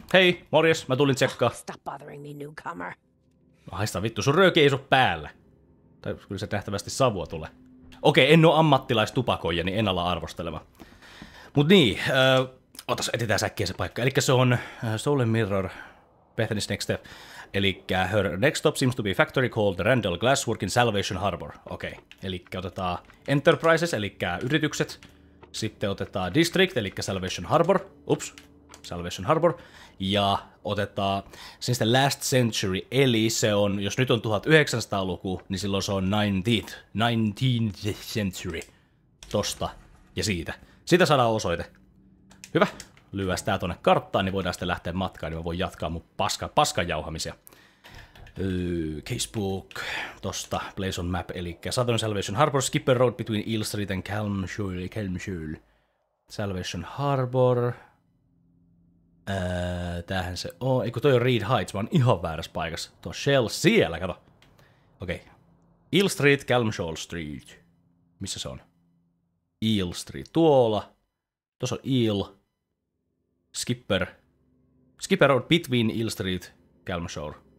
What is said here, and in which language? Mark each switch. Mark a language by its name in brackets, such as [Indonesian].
[Finnish] Hei, morjes, mä tulin tsekkaa. [English] Stop bothering me, newcomer. [Finnish] Haista vittu, sun röyki ei oo päällä. Tai kyllä se nähtävästi savua tulee. Okei, en oo ammattilaistupakoija, niin en ala arvostelemaan. Mut niin, otas etsitään säkkiä se paikka. Elikkä se on Soul and Mirror, Bethany's Next Step. Elikkä [English] her next stop seems to be factory called Randall Glasswork in Salvation Harbor. [Finnish] Okei, elikkä otetaan Enterprises, elikkä yritykset. Sitten otetaan District, elikkä Salvation Harbor. Ups, Salvation Harbor. Ja otetaan sinistä last century, eli se on, jos nyt on 1900-luku, niin silloin se on 19th century, tosta ja siitä. Siitä saadaan osoite. Hyvä, lyödään tää tuonne karttaan, niin voidaan sitten lähteä matkaan, niin mä voin jatkaa mun paskan jauhamisia. [English] Casebook, [Finnish] tosta, [English] place on map, [Finnish] eli [English] Southern Salvation Harbor, Skipper Road between Eel Street and Kalmshul. Salvation Harbor... [Finnish] tämähän se on. Eiku toi on Reed Heights, vaan ihan väärässä paikassa. Tuo Shell siellä, kato. Okei. [English] Okay. Eel Street, Kalmshul Street. [Finnish] Missä se on? Eel Street. Tuolla. Tuossa on Eel. Skipper. [English] Skipper Road between Eel Street, Kalmshul.